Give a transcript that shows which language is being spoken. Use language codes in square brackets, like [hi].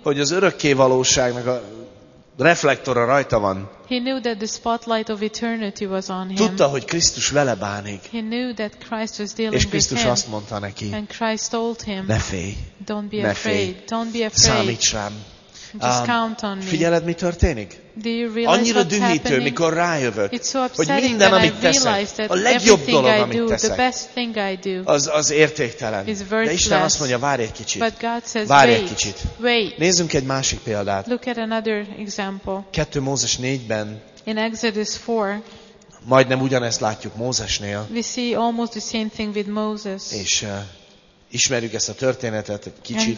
[hu] hogy az örökké valóságnak a reflektora rajta van. [en] He knew that the spotlight of eternity was on him. [hu] Tudta, hogy Krisztus vele bánik. [en] He knew that Christ was dealing [hu] és Krisztus [en] with [hu] azt mondta neki. [en] And Christ told him, [hu] ne félj. [en] Don't be [hu] ne [en] afraid. [hu] Félj. [en] Don't be afraid. [hu] Számíts rám. [en] Just count on me. [hu] Figyeled, mi történik? [en] Do you realize [hu] annyira [en] what's [hu] dühítő, [en] happening? [hu] Mikor rájövök, [en] it's so upsetting [hu] hogy minden, amit teszek, a legjobb dolog, amit teszek, az értéktelen. [en] Is worthless. [hu] De Isten azt mondja, várj egy kicsit. [en] But God says, [hu] várj [en] wait, [hu] egy kicsit. [en] Wait. [hu] Nézzünk egy másik példát. [en] Look at another example. [hu] 2 Mózes 4-ben [en] in Exodus 4, [hu] majdnem ugyanezt látjuk Mózesnél. [en] We see almost the same thing with Moses. [hu] És ismerjük ezt a történetet egy kicsit.